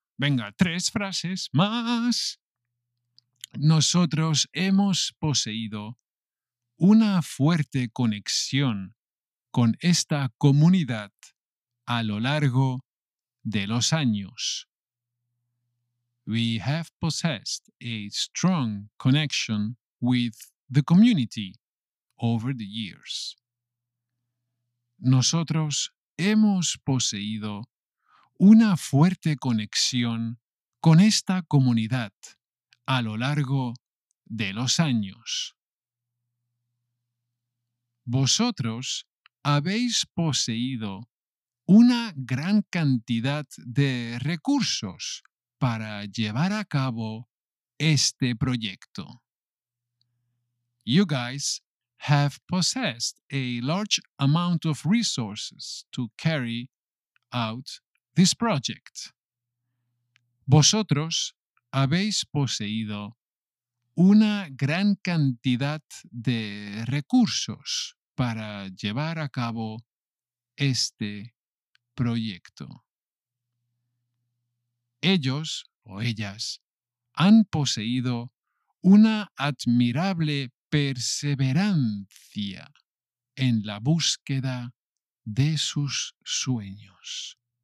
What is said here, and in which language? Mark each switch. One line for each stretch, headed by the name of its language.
Spanish: Venga, tres frases más. Nosotros hemos poseído una fuerte conexión con esta comunidad a lo largo de los años.
English: We have possessed a strong connection with the community over the years.
Spanish: Nosotros hemos poseído una fuerte conexión con esta comunidad a lo largo de los años. Vosotros habéis poseído una gran cantidad de recursos para llevar a cabo este proyecto.
English: You guys have possessed a large amount of resources to carry out this project.
Spanish: Vosotros habéis poseído una gran cantidad de recursos para llevar a cabo este proyecto. Ellos o ellas han poseído una admirable perseverancia en la búsqueda de sus sueños.